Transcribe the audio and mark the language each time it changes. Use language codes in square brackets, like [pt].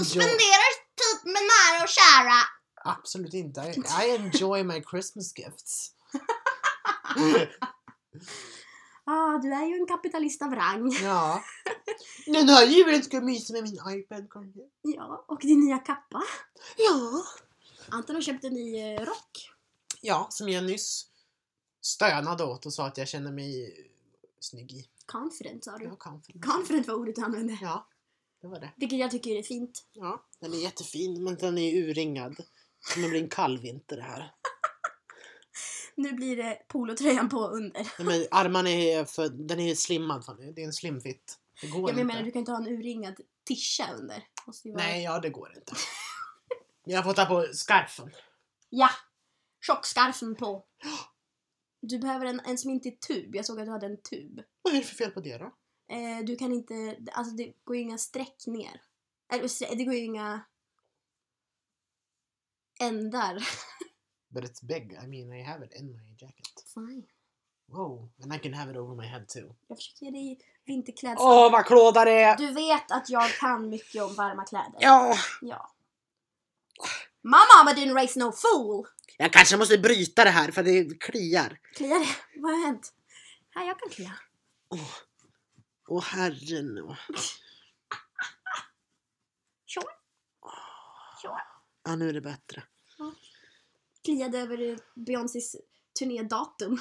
[sv] Och spenderar typ med nära och kära. Absolut inte. [en] I enjoy my Christmas gifts. [sv] Ah, du är ju en kapitalist av rang. Ja. Den här julen ska jag mysa med min iPad kanske. Ja, och din nya kappa. Ja. Anton har köpt en ny rock. Ja, som jag nyss stönade åt och sa att jag känner mig snygg i. Confident, sa du. Ja, confident. Confident var ordet du använde. Ja, det var det. Vilket jag tycker är fint. Ja, den är jättefin, men den är urringad. Det kommer bli en kall vinter det här. Nu blir det polotröjan på under. Nej, men armarna är för, den är slimmad för nu. Det är en slimfit. Det går jag inte. Jag menar, du kan inte ha en urringad tisha under. Måste ju vara... Nej, ja, det går inte. Jag får ta på skarfen. Ja, tjockskarfen på. Du behöver en som inte är tub. Jag såg att du hade en tub. Vad är det för fel på det då? Du kan inte, alltså det går ju inga streck ner. Eller det går ju inga ändar. [en] But it's big. I mean, I have it in my jacket. Fine. Whoa, and I can have it over my head too. [sv] Jag försöker ge dig vinterkläder. Åh, vad klåda det är! Du vet att jag kan mycket om varma kläder. Ja! Ja. [en] Mamma, but didn't raise no fool! [sv] Jag kanske måste bryta det här för det kliar. Kliar det? Vad har hänt? Här, jag kan klia. Åh, herre nu. [en] Sure. [sv] Ja, nu är det bättre. Kliade över Beyoncés turnédatum.